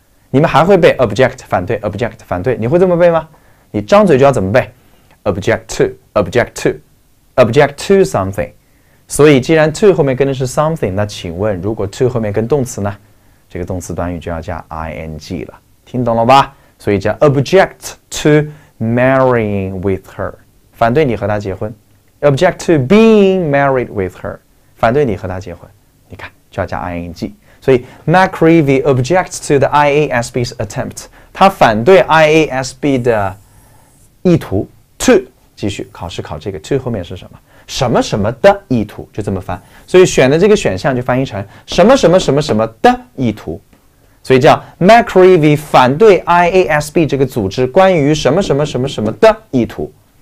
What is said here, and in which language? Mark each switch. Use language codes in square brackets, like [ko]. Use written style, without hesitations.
[zh] 你们还会背 object 反对 ，object 反对，你会这么背吗？你张嘴就要怎么背 ？ [en] Object to something。 [zh] 所以，既然 to 后面跟的是 something， 那请问，如果 to 后面跟动词呢？这个动词短语就要加 ing 了。听懂了吧？所以叫 [en] object to marrying with her， [zh] 反对你和她结婚。 [en] Object to being married with her， [zh] 反对你和她结婚，你看就要加 ing。所以 [en] McReeve objects to the IASB's attempt， [zh] 他反对 IASB 的意图 to， 继续考试考这个 to 后面是什么什么什么的意图，就这么翻，所以选的这个选项就翻译成什么什么什么什么的意图，所以叫 McReeve 反对 IASB 这个组织关于什么什么什么什么的意图。